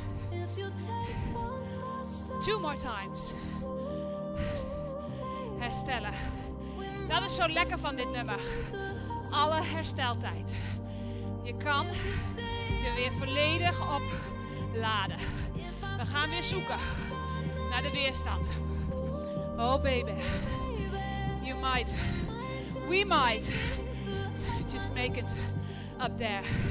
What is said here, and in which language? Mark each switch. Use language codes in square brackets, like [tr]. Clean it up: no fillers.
[en] If you take one more song. 2 more times. [nl] Herstellen. Dat is zo lekker van dit nummer. Alle hersteltijd. Je kan je weer volledig opladen. We gaan weer zoeken naar de weerstand. [en] Oh baby, you might, we might just make it up there.